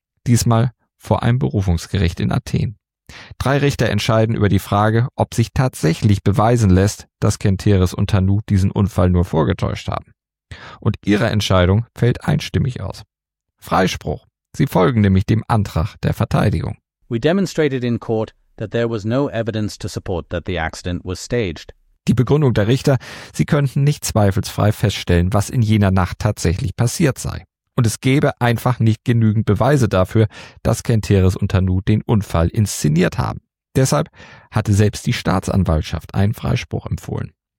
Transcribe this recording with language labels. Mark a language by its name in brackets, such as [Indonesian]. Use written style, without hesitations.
[German] Diesmal vor einem Berufungsgericht in Athen. Drei Richter entscheiden über die Frage, ob sich tatsächlich beweisen lässt, dass Kenteris und Tanu diesen Unfall nur vorgetäuscht haben. Und ihre Entscheidung fällt einstimmig aus. Freispruch. Sie folgen nämlich dem Antrag der Verteidigung. [English] We demonstrated in court that there was no evidence to support that the accident was staged. [German] Die Begründung der Richter, sie könnten nicht zweifelsfrei feststellen, was in jener Nacht tatsächlich passiert sei. Und es gäbe einfach nicht genügend Beweise dafür, dass Kenteris und Tanu den Unfall inszeniert haben. Deshalb hatte selbst die Staatsanwaltschaft einen Freispruch empfohlen.